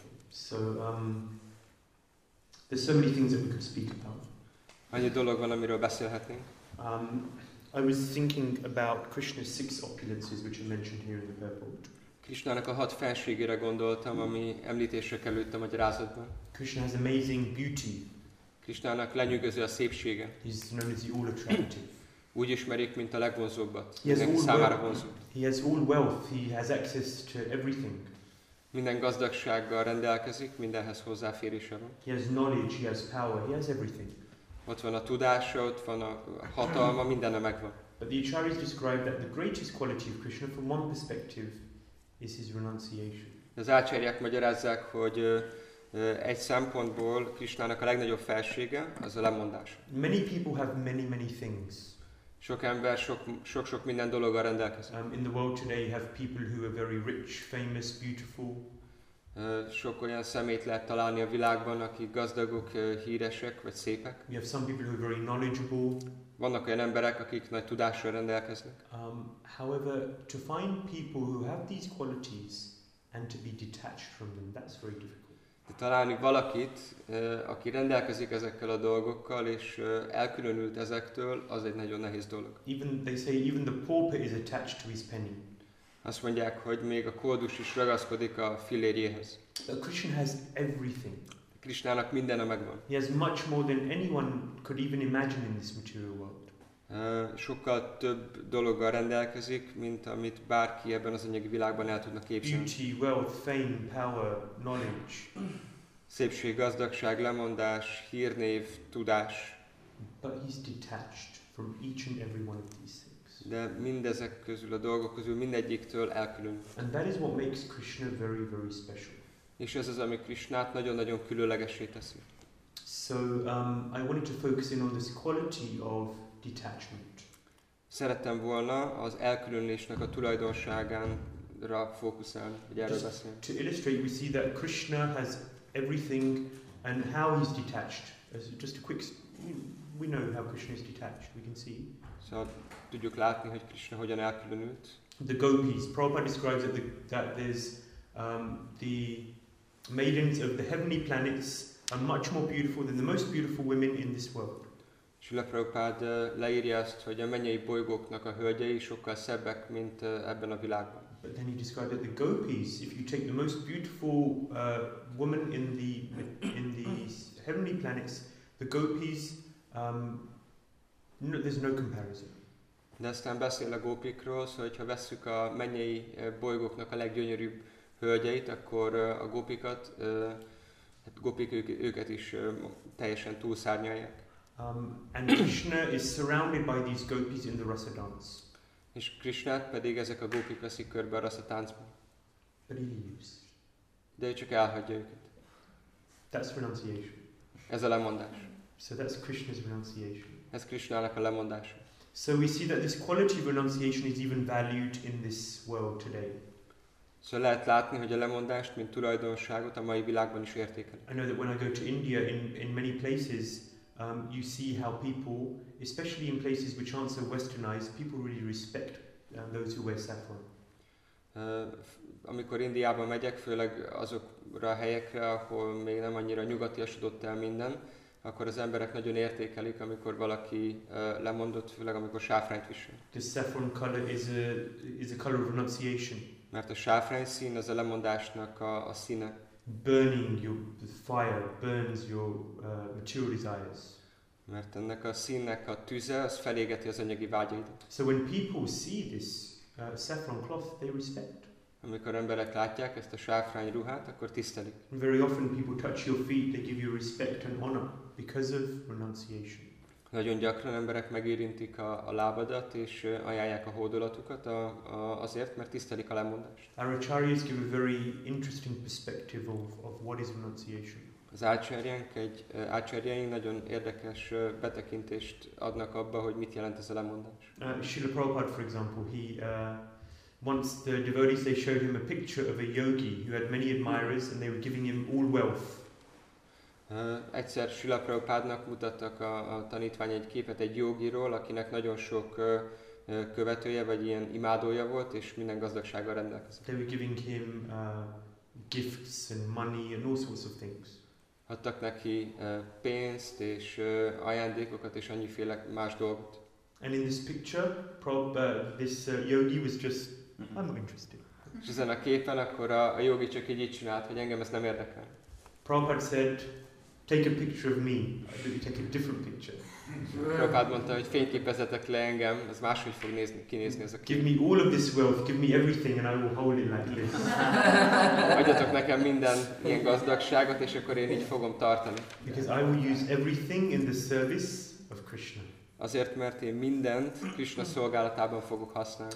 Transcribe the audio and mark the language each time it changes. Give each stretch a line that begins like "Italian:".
English: So, there's so many things that we could speak about.
Hungarian: Annyi dolog van, amiről beszélhetnénk.
English: I was thinking about Krishna's six opulences, which are mentioned here in the purport.
Hungarian: Krishnának a hat felségére gondoltam, ami említésre került a magyarázatban.
English: Krishna has amazing beauty.
Hungarian: Krishnának lenyűgöző a szépsége.
English: He's known as the all attractive.
Hungarian: Úgy ismerik, mint a legvonzóbbat. Mindenki számára vonzó.
English: He has all wealth. He has access to everything.
Hungarian: Minden gazdagsággal rendelkezik, mindenhez hozzáférése van.
English: He has knowledge. He has power. He has everything.
Hungarian: Ott van a tudása, ott van a hatalma, mindene megvan.
English: But the Acharyas describe that the greatest quality of Krishna from one perspective is his renunciation.
Hungarian: Az Acharyák magyarázzák, hogy egy szempontból Krishnának a legnagyobb felsége az a lemondás.
English: Many people have many, many things.
Hungarian: Sok ember sok minden dologgal rendelkezik.
English: In the world today you have people who are very rich, famous, beautiful.
Hungarian: Sok olyan szemét lehet találni a világban, akik gazdagok, híresek vagy szépek.
English: We have some people who are very knowledgeable.
Hungarian: Vannak olyan emberek, akik nagy tudással rendelkeznek.
English: However, to find people who have these qualities and to be detached from them, that's very difficult.
Hungarian: De találni valakit, aki rendelkezik ezekkel a dolgokkal és elkülönült ezektől, az egy nagyon nehéz dolog.
English: Even they say even the pauper is attached to his penny.
Hungarian: Azt mondják, hogy még a koldus is ragaszkodik a filléréhez.
English: But Krishna has everything.
Hungarian: Krishnának mindene megvan.
English: He has much more than anyone could even imagine in this material world.
Hungarian: Sokkal több dologgal rendelkezik, mint amit bárki ebben az anyagi világban el tudna képzelni.
English: Beauty, wealth, fame, power, knowledge.
Hungarian: Szépség, gazdagság, lemondás, hírnév, tudás.
English: But he's detached from each and every one of these.
Hungarian: De mindezek közül, a dolgok közül, mindegyiktől elkülön.
English: And that is what makes Krishna very, very special.
Hungarian: És ez az, ami Krishnát nagyon-nagyon különlegessé teszi.
English: So, I wanted to focus in on this quality of detachment.
Hungarian: Szerettem volna az elkülönülésnek a tulajdonságára fókuszálni, hogy erről beszélni.
English: To illustrate, we see that Krishna has everything and how he's detached. Just a quick, we know how Krishna is detached, we can see.
Hungarian: Szóval tudjuk látni, hogy Krishna hogyan elkülönült.
English: The gopis. Prabhupada describes that there's the maidens of the heavenly planets are much more beautiful than the most beautiful women in this world.
Hungarian: Srila Prabhupád leírja azt, hogy a mennyei bolygóknak a hölgyei sokkal szebbek, mint ebben a világban.
English: But then he described that the gopis, if you take the most beautiful woman in the heavenly planets, the gopis, no, there's no comparison.
Hungarian: De aztán beszél a gópikról, szóval, hogyha vesszük a mennyei bolygóknak a leggyönyörűbb hölgyeit, akkor a gópikat, hát gópik őket is teljesen túlszárnyalják.
English: And Krishna is surrounded by these gopis in the rasa dance.
Hungarian: És Krishnát pedig ezek a gópik veszik körbe a rasa táncban.
English: But he leaves.
Hungarian: De ő csak elhagyja őket.
English: That's renunciation.
Hungarian: Ez a lemondás.
English: So that's Krishna's renunciation.
Hungarian: Ez Krishnának a lemondása.
English: So we see that this quality of renunciation is even valued in this world today.
Hungarian: So lehet látni, hogy a lemondást, mint tulajdonságot a mai világban is értékelik.
English: I know that when I go to India, in many places, you see how people, especially in places which aren't so westernized, people really respect those who wear saffron.
Hungarian: Amikor Indiába megyek, főleg azokra a helyekre, ahol még nem annyira nyugatiasodott el minden, akkor az emberek nagyon értékelik, amikor valaki lemondott, főleg amikor sáfrányt visel.
English: The saffron color is a color of renunciation.
Hungarian: Mert a sáfrány szín az a lemondásnak a színe.
English: Burning your fire burns your material desires.
Hungarian: Mert ennek a színnek a tüze az felégeti az anyagi vágyaidat.
English: So when people see this saffron cloth, they respect.
Hungarian: Amikor emberek látják ezt a sáfrány ruhát, akkor tisztelik.
English: Very often people touch your feet, they give you respect and honor because of renunciation.
Hungarian: Nagyon gyakran emberek megérintik a lábadat és ajánlják a hódolatukat azért, mert tisztelik a lemondást.
English: Our acharyas give a very interesting perspective of what is renunciation.
Hungarian: Az acharyaink nagyon érdekes betekintést adnak abba, hogy mit jelent ez a lemondás.
English: Srila Prabhupada, for example, once the devotees, they showed him a picture of a yogi who had many admirers and they were giving him all wealth.
Hungarian: Egyszer Srila Prabhupádnak mutattak a tanítvány egy képet egy jogiról, akinek nagyon sok követője vagy ilyen imádója volt és minden gazdagsággal rendelkezett.
English: They were giving him gifts and money and all sorts of things.
Hungarian: Adtak neki pénzt és ajándékokat és annyiféle más dolgot.
English: And in this picture, yogi was just I'm not interested.
Hungarian: És ezen a képen akkor a jogi csak így csinált, hogy engem ez nem érdekel.
English: Prabhupád said, take a picture of me. You take a different picture.
Hungarian: Prabhupád mondta, hogy fényképezzetek le engem, ez máshogy fog kinézni ez a kép.
English: Give me all of this wealth, give me everything and I will hold it like this.
Hungarian: Adjatok nekem minden ilyen gazdagságot, és akkor én így fogom tartani.
English: Because I will use everything in the service of Krishna.
Hungarian: Azért, mert én mindent Krishna szolgálatában fogok használni.